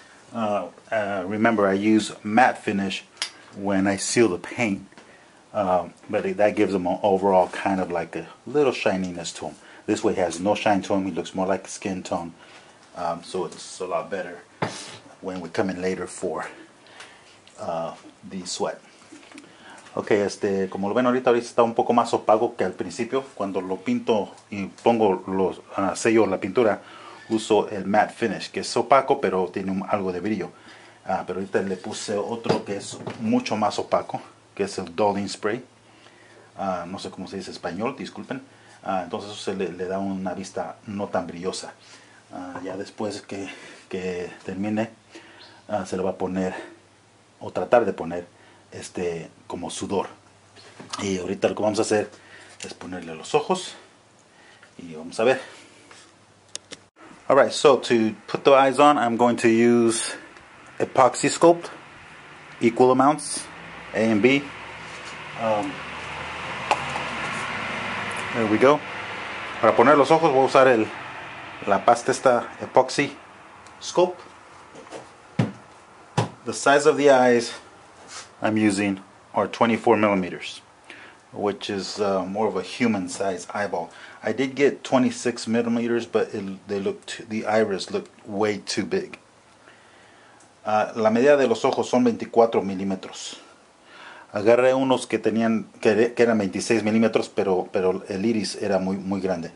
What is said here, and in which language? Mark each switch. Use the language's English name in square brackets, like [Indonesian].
[English] Remember, I use matte finish when I seal the paint, but that gives him an overall kind of like a little shininess to him. This way he has no shine to him, he looks more like a skin tone, so it's a lot better when we come in later for the sweat. [Spanish] Okay, como lo ven ahorita, está un poco más opaco que al principio. Cuando lo pinto y pongo los sellos, la pintura, uso el matte finish, que es opaco pero tiene algo de brillo. Pero ahorita le puse otro que es mucho más opaco, que es el dulling spray. No sé cómo se dice en español, disculpen. Entonces eso se le da una vista no tan brillosa. Ya después que termine, se lo va a poner, o tratar de poner, como sudor. Y ahorita lo que vamos a hacer es ponerle los ojos y vamos a ver. [English] Alright, so to put the eyes on, I'm going to use epoxy sculpt, equal amounts, A and B. There we go. [Spanish] Para poner los ojos, voy a usar la pasta esta epoxy sculpt. [English] The size of the eyes I'm using are 24 millimeters, which is more of a human size eyeball. I did get 26 millimeters, but the iris looked way too big. [Spanish] La medida de los ojos son 24 milímetros. Agarré unos que eran 26 milímetros, pero el iris era muy, muy grande.